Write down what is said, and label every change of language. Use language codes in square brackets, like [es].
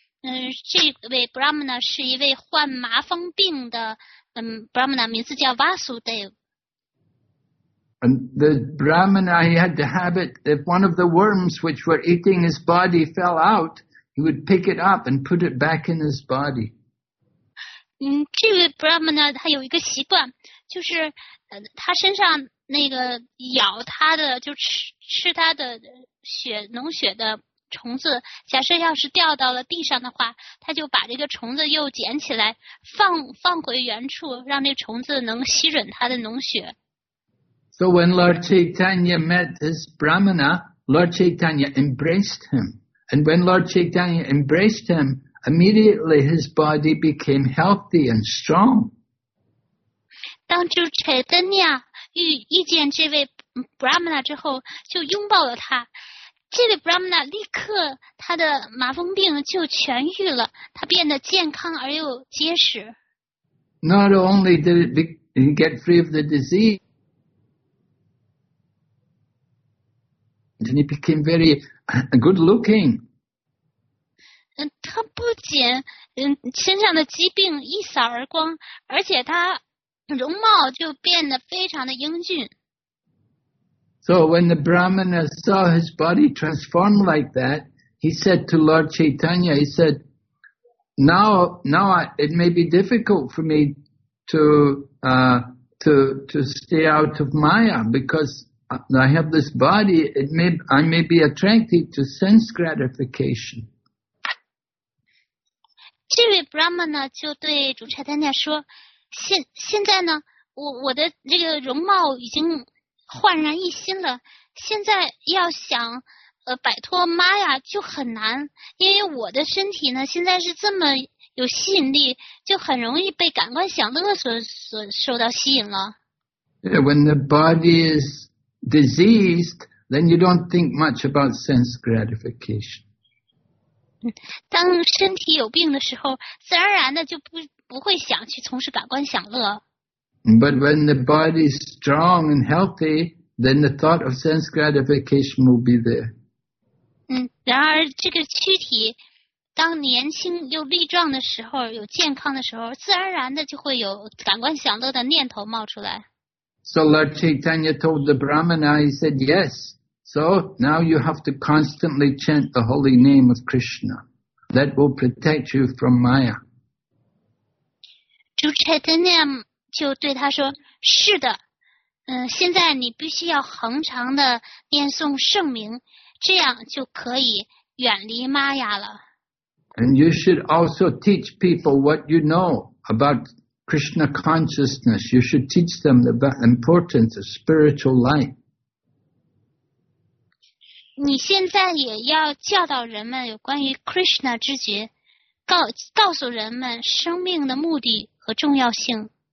[zh] 这位 Brahmana 是一位患麻风病的 Brahmana, 名字叫 Vasudev. [en] And the Brahmana, he had the habit, if one of the worms which were eating his body fell out, he would pick it up and put it back in his body. [zh] 这位 Brahmana 他有一个习惯，就是他身上那个咬他的，就吃他的血，脓血的虫子，假设要是掉到了地上的话，他就把这个虫子又捡起来，放回原处，让那虫子能吸吮他的脓血。 [en] So when Lord Chaitanya met his Brahmana, Lord Chaitanya embraced him. And when Lord Chaitanya embraced him, immediately his body became healthy and strong. [zh] 当主 Chaitanya 遇见这位 Brahmana 之后，就拥抱了他。这位 Brahmana 立刻他的麻风病就痊愈了，他变得健康而又结实。 [en] Not only did it get free of the disease, then he became very good looking. [zh] 他不仅身上的疾病一扫而光，而且他容貌就变得非常的英俊。 [en] So when the Brahmana saw his body transformed like that, he said to Lord Chaitanya, he said, now it may be difficult for me to stay out of Maya because I have this body, I may be attracted to sense gratification. [zh] 这位 Brahmana 就对主 Chaitanya 说，现在呢，我的这个容貌已经焕然一新了，现在要想摆脱妈呀就很难，因为我的身体呢现在是这么有吸引力，就很容易被感官享乐所受到吸引了。 [en] Yeah, when the body is diseased, then you don't think much about sense gratification. [zh] 当身体有病的时候，自然而然的就不会想去从事感官享乐。 [en] But when the body is strong and healthy, then the thought of sense gratification will be there. [zh] 然而这个躯体当年轻又力壮的时候，有健康的时候，自然而然的就会有感官享乐的念头冒出来。 [en] So Lord Chaitanya told the Brahmana, he said, yes, so now you have to constantly chant the holy name of Krishna. That will protect you from Maya. [zh] 主 Chaitanya就对他说，是的，现在你必须要恒常的念诵圣名，这样就可以远离玛雅了。 [en] And you should also teach people what you know about Krishna consciousness. You should teach them the importance of spiritual life. [zh] 你现在也要教导人们有关于 Krishna 知觉，告诉人们生命的目的和重要性。